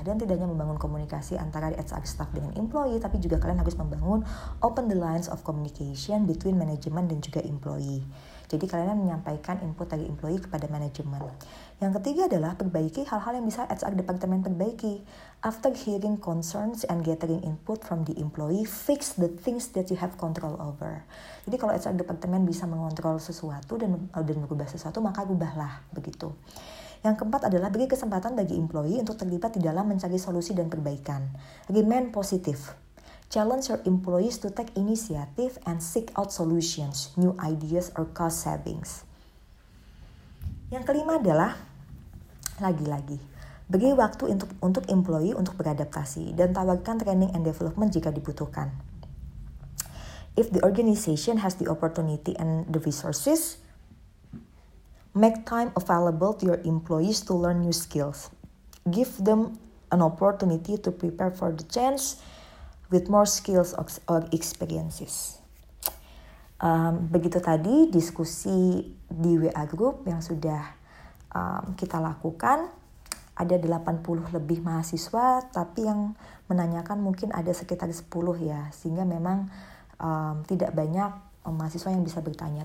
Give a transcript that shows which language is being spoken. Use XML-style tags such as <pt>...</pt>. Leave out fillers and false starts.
<id>Dan tidak hanya membangun komunikasi antara HR staff dengan employee, tapi juga kalian harus membangun</id> <en>open the lines of communication between management</en> <id>dan juga employee. Jadi kalian menyampaikan input dari employee kepada manajemen. Yang ketiga adalah perbaiki hal-hal yang bisa HR departemen perbaiki.</id> <en>After hearing concerns and gathering input from the employee, fix the things that you have control over.</en> <id>Jadi kalau HR departemen bisa mengontrol sesuatu dan mengubah sesuatu, maka ubahlah begitu. Yang keempat adalah beri kesempatan bagi employee untuk terlibat di dalam mencari solusi dan perbaikan.</id> <en>Remain positive. Challenge your employees to take initiative and seek out solutions, new ideas, or cost savings.</en> <id>Yang kelima adalah, lagi-lagi, beri waktu untuk employee untuk beradaptasi dan tawarkan training and development jika dibutuhkan.</id> <en>If the organization has the opportunity and the resources, make time available to your employees to learn new skills. Give them an opportunity to prepare for the change with more skills or experiences.</en> <id>Begitu tadi diskusi di WA group yang sudah kita lakukan. Ada 80 lebih mahasiswa, tapi yang menanyakan mungkin ada sekitar 10 ya. Sehingga memang tidak banyak mahasiswa yang bisa bertanya.</id>